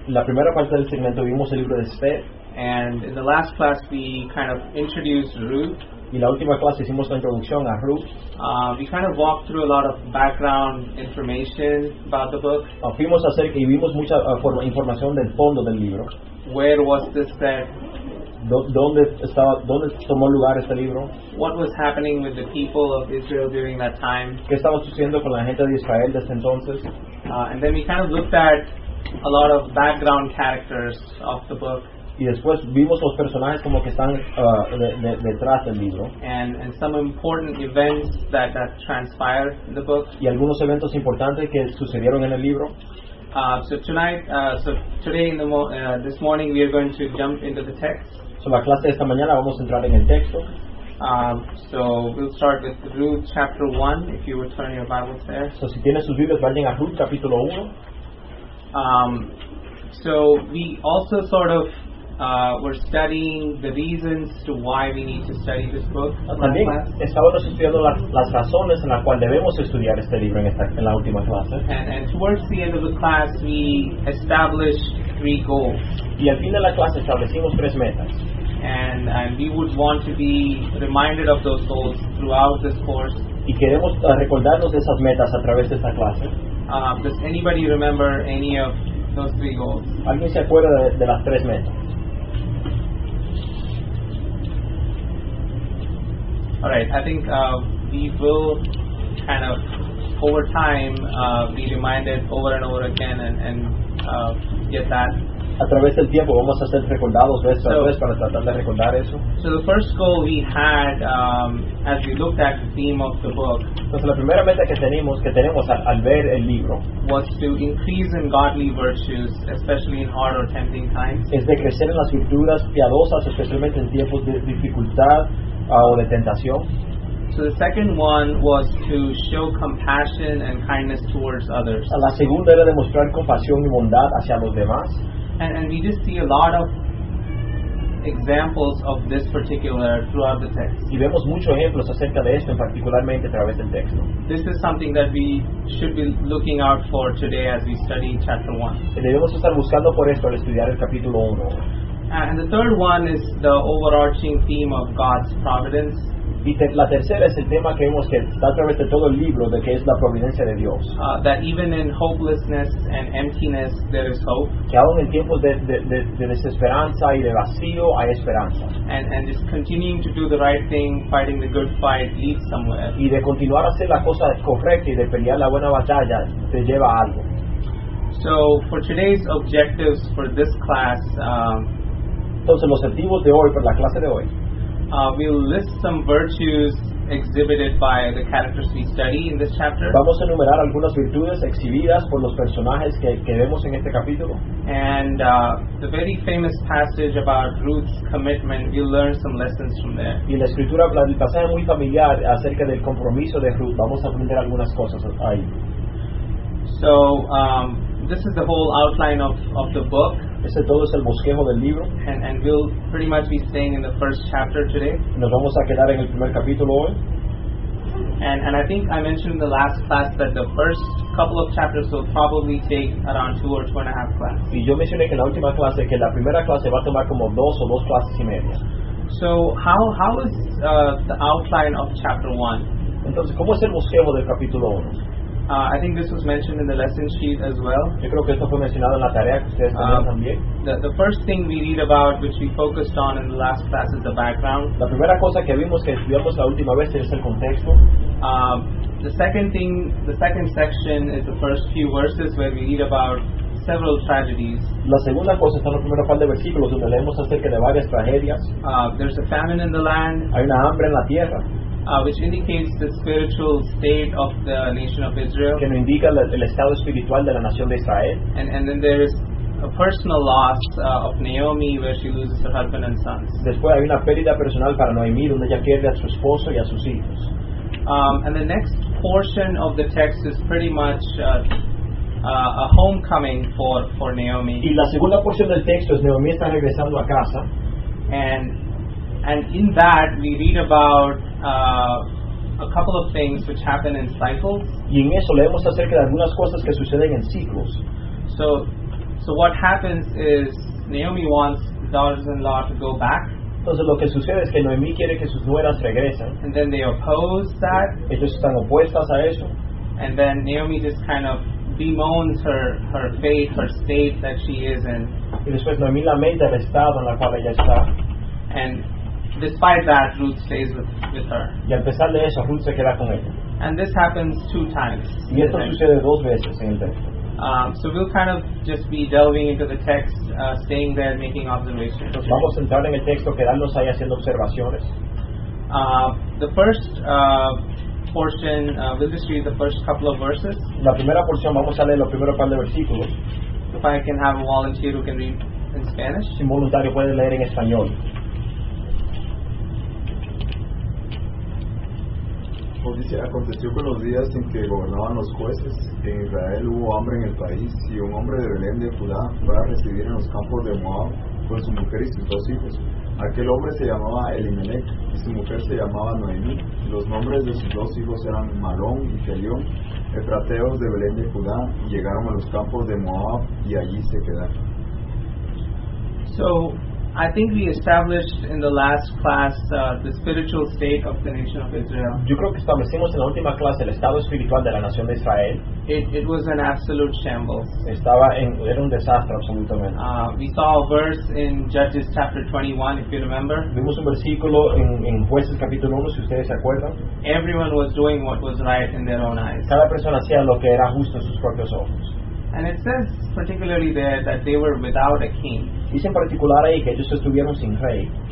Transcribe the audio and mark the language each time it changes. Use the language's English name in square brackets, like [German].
[Spanish] La primera parte del segmento vimos el libro de Esther. [English] And in the last class we kind of introduced Ruth. [Spanish] Y la última clase hicimos la introducción a Ruth. [English] We kind of walked through a lot of background information about the book. [Spanish] Fuimos acerca y vimos mucha información del fondo del libro. [English] Where was this set? [Spanish] ¿Dónde tomó lugar este libro? [English] What was happening with the people of Israel during that time? [Spanish] ¿Qué estaba sucediendo con la gente de Israel desde entonces? [English] And then we kind of looked at a lot of background characters of the book. [Spanish] Y después vimos los personajes como que están detrás del libro. [English] And some important events that transpired in the book. [Spanish] Y algunos eventos importantes que sucedieron en el libro. [English] This morning we are going to jump into the text. [Spanish] So la clase de esta mañana vamos a entrar en el texto. [English] So we'll start with Ruth chapter 1, if you would turn your Bibles there. [Spanish] So si tienen sus Biblias, vayan a Ruth capítulo 1. [English] So we also sort of were studying the reasons to why we need to study this book. [Spanish] También estábamos estudiando las razones en las cuales debemos estudiar este libro en la última clase. [English] And towards the end of the class, we established three goals. [Spanish] Y al fin de la clase establecimos tres metas. [English] And we would want to be reminded of those goals throughout this course. [Spanish] Y queremos recordarnos de esas metas a través de esta clase. [English] Does anybody remember any of those three goals? [Spanish] ¿Alguien se acuerda de las tres metas? [English] All right, I think we will kind of over time be reminded over and over again and get that. [Spanish] A través del tiempo vamos a ser recordados vez tras vez para tratar de recordar eso. [English] So the first goal we had as we looked at the theme of the book. [Spanish] Entonces la primera meta que tenemos al ver el libro [English] was to increase in godly virtues, especially in hard or tempting times. [Spanish] Es de crecer en las virtudes piadosas, especialmente en tiempos de dificultad. De tentación. [English] So the second one was to show compassion and kindness towards others. [Spanish] La segunda era demostrar compasión y bondad hacia los demás. [English] And we just see a lot of examples of this particular throughout the text. [Spanish] Y vemos muchos ejemplos acerca de esto, particularmente a través del texto. [English] This is something that we should be looking out for today as we study chapter 1. [Spanish] Debemos estar buscando por esto al estudiar el capítulo 1. [English] And the third one is the overarching theme of God's providence. [Spanish] Y la tercera es el tema que vemos que está a través de todo el libro, de que es la providencia de Dios. [English] That even in hopelessness and emptiness, there is hope. [Spanish] Que aún en tiempos de desesperanza y de vacío, hay esperanza. [English] And just continuing to do the right thing, fighting the good fight, leads somewhere. [Spanish] Y de continuar a hacer la cosa correcta y de pelear la buena batalla, te lleva a algo. [English] So, for today's objectives for this class, [Spanish] entonces, los objetivos de hoy, para la clase de hoy. [English] We'll list some virtues exhibited by the characters we study in this chapter. [Spanish] Vamos a enumerar algunas virtudes exhibidas por los personajes que vemos en este capítulo. [English] And the very famous passage about Ruth's commitment, we'll learn some lessons from there. [Spanish] Y la escritura, el pasaje muy familiar acerca del compromiso de Ruth, vamos a aprender algunas cosas ahí. [English] So, this is the whole outline of the book. [Spanish] Ese todo es el bosquejo del libro. [English] And we'll pretty much be staying in the first chapter today. [Spanish] Nos vamos a quedar en el primer capítulo hoy. [English] And I think I mentioned in the last class that the first couple of chapters will probably take around 2 or 2.5 classes. [Spanish] Y yo mencioné que la última clase, que la primera clase va a tomar como 2 o 2 clases y media. [English] So how is the outline of chapter 1? [Spanish] Entonces, ¿cómo es el bosquejo del capítulo 1? [English] I think this was mentioned in the lesson sheet as well. [Spanish] Yo creo que esto fue mencionado en la tarea que ustedes tenían también. [English] The first thing we read about, which we focused on in the last class, is the background. [Spanish] La primera cosa que vimos que estudiamos la última vez es el contexto. [English] The second section is the first few verses where we read about several tragedies. [Spanish] La segunda cosa está en los primeros par de versículos donde leemos acerca de varias tragedias. [English] There's a famine in the land. [Spanish] Hay una hambre en la tierra. [English] Which indicates the spiritual state of the nation of Israel. [Spanish] Que nos indica el estado espiritual de la nación de Israel. [English] And then there is a personal loss of Naomi, where she loses her husband and sons. [Spanish] Después hay una pérdida personal para Noemí, donde ella pierde a su esposo y a sus hijos. [English] And the next portion of the text is pretty much a homecoming for Naomi. [Spanish] Y la segunda porción del texto es Naomi está regresando a casa. [English] And in that we read about a couple of things which happen in cycles. [Spanish] Y en eso leemos acerca de algunas cosas que suceden en ciclos. [English] So what happens is Naomi wants daughters-in-law to go back. [Spanish] Entonces lo que sucede es que Noemí quiere que sus nueras regresen. [English] And then they oppose that. [Spanish] Ellos están opuestas a eso. [English] And then Naomi just kind of bemoans her fate, her state that she is in. [Spanish] Y después Noemí lamenta el estado en el cual ella está. [English] And despite that, Ruth stays with her. [Spanish] Y a pesar de eso, Ruth se queda con ella. [English] And this happens two times. [Spanish] Y esto sucede dos veces en el texto. [English] So we'll kind of just be delving into the text, staying there, making observations. [Spanish] Entonces vamos a entrar en el texto, quedarnos ahí haciendo observaciones. [English] The first portion, we'll just read the first couple of verses. [Spanish] La primera porción, vamos a leer los primeros par de versículos. [English] If I can have a volunteer who can read in Spanish. [Spanish] Un voluntario puede leer en español. Dice, aconteció con los días en que gobernaban los jueces en Israel, hubo hambre en el país, y un hombre de Belén de Judá fue a residir en los campos de Moab con su mujer y sus dos hijos. Aquel hombre se llamaba Elimelec y su mujer se llamaba Noemí. Los nombres de sus dos hijos eran Malón y Kelión, efrateos de Belén de Judá, y llegaron a los campos de Moab y allí se quedaron. [English] So I think we established in the last class the spiritual state of the nation of Israel. [Spanish] Yo creo que establecimos en la última clase el estado espiritual de la nación de Israel. [English] It was an absolute shambles. [Spanish] Era un desastre absolutamente. [English] We saw a verse in Judges chapter 21, if you remember. [Spanish] Vimos un versículo en Jueces capítulo 1, si ustedes se acuerdan. [English] Everyone was doing what was right in their own eyes. [Spanish] Cada persona hacía lo que era justo en sus propios ojos. [English] And it says particularly there that they were without a king. [Spanish] Dice en particular ahí que ellos estuvieron sin rey.